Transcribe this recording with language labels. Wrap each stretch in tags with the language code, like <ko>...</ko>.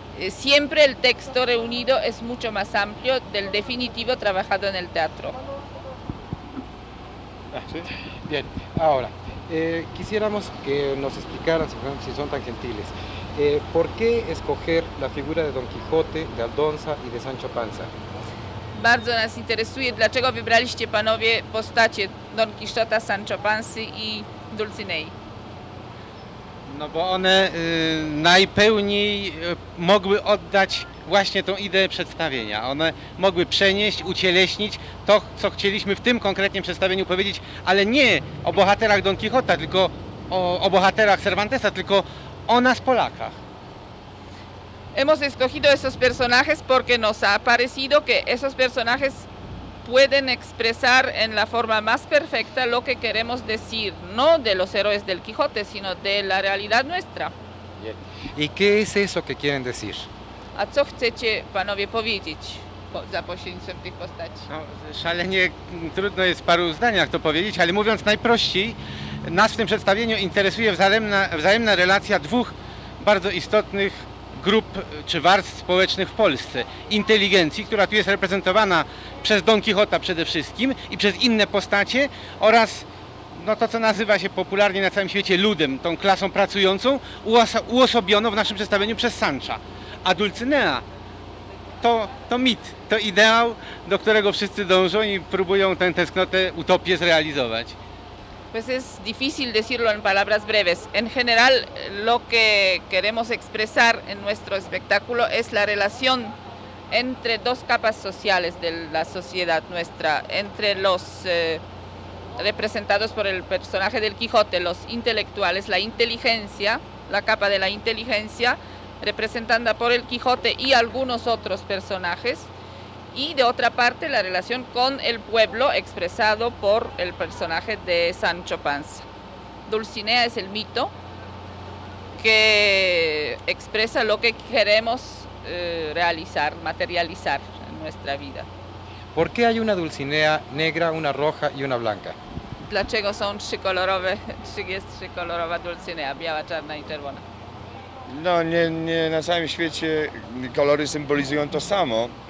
<es>Siempre el texto reunido es mucho más amplio del definitivo trabajado en el teatro. Bien, ahora, quisiéramos que nos explicaran, si son tan gentiles, ¿por qué escoger la figura de Don Quijote, de Aldonza y de Sancho Panza?</es> <pl>Bardzo nas interesuje, dlaczego wybraliście panowie postacie Don Quixota, Sancho Pansy i Dulcinei. No bo one najpełniej mogły oddać właśnie tą ideę przedstawienia. One mogły przenieść, ucieleśnić to, co chcieliśmy w tym konkretnym przedstawieniu powiedzieć, ale nie o bohaterach Don Quixota, tylko o bohaterach Cervantesa, tylko o nas Polakach.</pl> <es>Hemos escogido esos personajes porque nos ha parecido que esos personajes pueden expresar en la forma más perfecta lo que queremos decir, no de los héroes del Quijote, sino de la realidad nuestra. Bien. ¿Y qué es eso que quieren decir?</es> <pl>¿A co chcecie, panowie, powiedzieć za pośrednictwem tych postaci? No, szalenie trudno jest w paru zdaniach to powiedzieć, ale mówiąc najprościej, nas w tym przedstawieniu interesuje wzajemna relacja dwóch bardzo istotnych grup czy warstw społecznych w Polsce. Inteligencji, która tu jest reprezentowana przez Don Quixota przede wszystkim i przez inne postacie oraz no, to, co nazywa się popularnie na całym świecie ludem, tą klasą pracującą, uosobiono w naszym przedstawieniu przez Sancha. A Dulcinea to mit, to ideał, do którego wszyscy dążą i próbują tę tęsknotę, utopię zrealizować.</pl> <es>Pues es difícil decirlo en palabras breves. En general, lo que queremos expresar en nuestro espectáculo es la relación entre dos capas sociales de la sociedad nuestra, entre los representados por el personaje del Quijote, los intelectuales, la inteligencia, la capa de la inteligencia, representada por el Quijote y algunos otros personajes, y de otra parte la relación con el pueblo expresado por el personaje de Sancho Panza. Dulcinea es el mito que expresa lo que queremos realizar, materializar en nuestra vida. ¿Por qué hay una Dulcinea negra, una roja y una blanca?</es> <pl>Dlaczego są trzy kolorowe, czy jest trzykolorowa Dulcinea, biała, czarna i czerwona? No nie na całym świecie kolory symbolizują to samo.</pl>